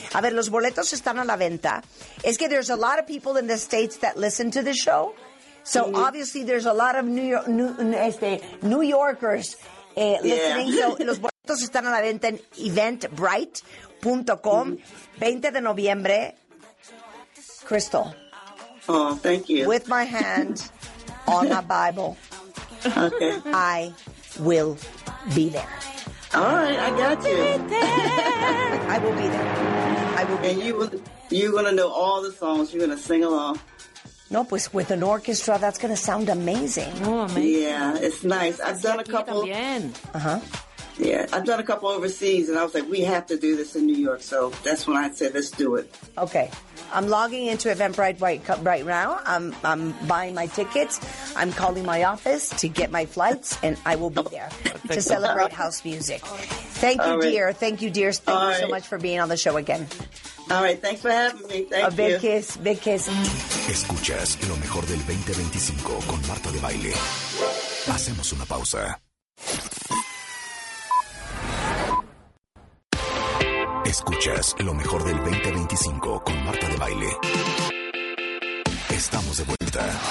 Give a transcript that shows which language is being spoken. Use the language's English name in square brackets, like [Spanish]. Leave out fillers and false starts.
[Spanish] A ver, los boletos están a la venta. Es que [English] there's a lot of people in the States that listen to the show. So obviously there's a lot of New Yorkers listening. Yeah. [Spanish] So los boletos están a la venta en Eventbrite. .com, 20 de noviembre, Crystal. [English] Oh, thank you. With my hand on a Bible. Okay. I will be there. All right, I got you. I will be there. And you're going to know all the songs. You're going to sing along. [Spanish] No, pues [English] with an orchestra, that's going to sound amazing. Oh, amazing. Yeah, it's nice. I've done a couple. [Spanish] También. Uh-huh. [English] Yeah, I've done a couple overseas, and I was like, we have to do this in New York. So that's when I said, let's do it. Okay. I'm logging into Eventbrite right now. I'm buying my tickets. I'm calling my office to get my flights, and I will be there to celebrate house music. Thank you, dear. Thank you, dear. Thank you so much for being on the show again. All right. Thanks for having me. Thank you. A big kiss. Big kiss. [Spanish] Escuchas lo mejor del 2025 con Marta de Baile. Hacemos una pausa. Escuchas lo mejor del 2025 con Marta de Baile. Estamos de vuelta.